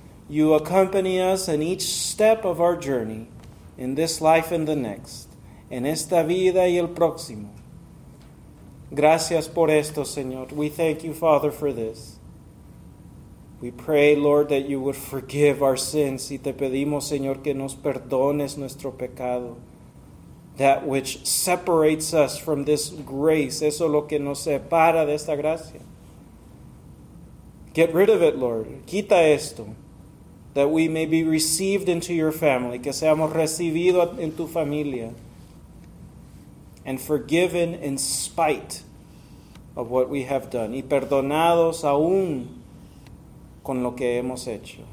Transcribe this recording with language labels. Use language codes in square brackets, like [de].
[en] You accompany us in each step of our journey, in this life and the next, [es] en esta vida y el próximo. Gracias por esto, Señor. [en] We thank you, Father, for this. We pray, Lord, that you would forgive our sins. [es] Y te pedimos, Señor, que nos perdones nuestro pecado. [en] That which separates us from this grace. [es] Eso es lo que nos separa de esta gracia. [en] Get rid of it, Lord. [es] Quita esto. [en] That we may be received into your family. [es] Que seamos recibidos en tu familia. [en] And forgiven in spite of what we have done. [es] Y perdonados aún con lo que hemos hecho.